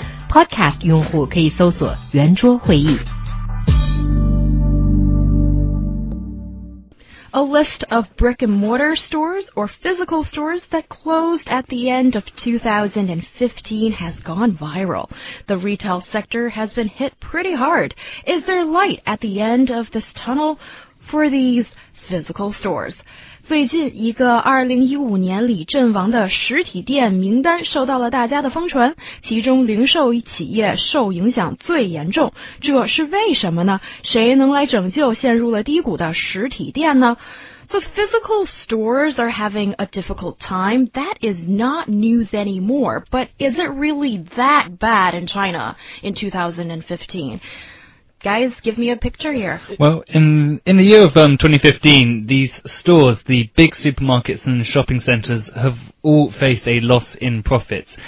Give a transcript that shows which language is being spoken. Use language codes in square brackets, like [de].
[zh] Podcast 用户可以搜索圆桌会议。 [en] A list of brick and mortar stores or physical stores that closed at the end of 2015 has gone viral. The retail sector has been hit pretty hard. Is there light at the end of this tunnel for these physical stores? [zh] 最近一个2015年里阵亡的实体店名单受到了大家的疯传，其中零售企业受影响最严重，这是为什么呢？谁能来拯救陷入了低谷的实体店呢？ [en] So physical stores are having a difficult time. That is not news anymore. But is it really that bad in China in 2015? Guys, give me a picture here. Well, in the year of 2015, these stores, the big supermarkets and shopping centers, have all faced a loss in profits.